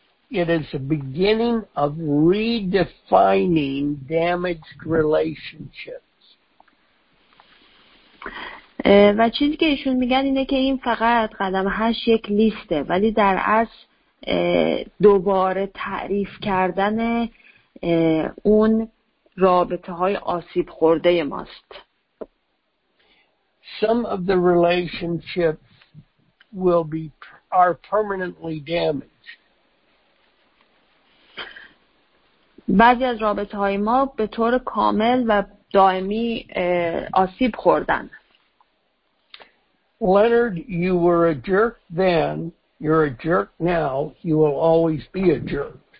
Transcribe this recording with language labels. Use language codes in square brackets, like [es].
[en] It is a beginning of redefining damaged relationships. [fa] و چیزی که ایشون میگن اینه که این فقط قدم 8 یک لیسته، ولی در اصل دوباره تعریف کردن اون رابطه های آسیب خورده ماست. [en] Some of the relationships will be are permanently damaged. [fa] بعضی از رابطه های ما به طور کامل و دائمی آسیب خوردن. [en] Leonard, you were a jerk then, you're a jerk now, you will always be a jerk.